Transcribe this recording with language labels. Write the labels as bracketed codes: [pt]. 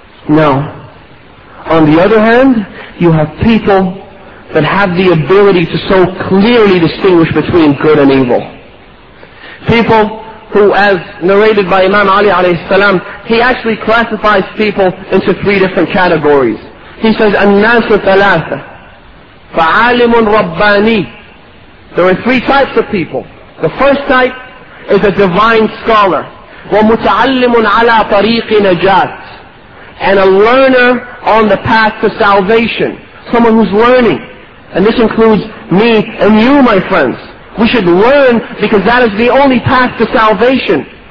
[en] Now, on the other hand, you have people that have the ability to so clearly distinguish between good and evil. People who, as narrated by Imam Ali alayhi salam, he actually classifies people into 3 different categories. He says, [ar] النَّاسُ ثَلَاثَةً فَعَالِمٌ رَبَّانِي. [en] There are 3 types of people. The first type is a divine scholar. [ar] وَمُتَعَلِّمٌ عَلَىٰ طَرِيقِ نَجَاتٍ. [en] And a learner on the path to salvation. Someone who's learning. And this includes me and you, my friends. We should learn because that is the only path to salvation.